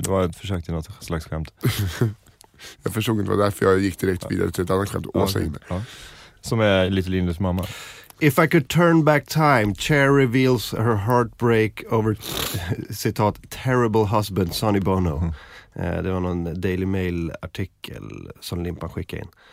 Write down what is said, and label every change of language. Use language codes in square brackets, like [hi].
[sv] Det var ett försök till något slags skämt. Jag förstod inte, det var därför jag gick direkt vidare till ett annat skämt, Åsa Jinder. Ja. Som är Little Jinders mamma. [en] If I could turn back time, Cher reveals her heartbreak over citat terrible husband Sonny Bono. [sv] Det var någon Daily Mail artikel som Limpan skickade in.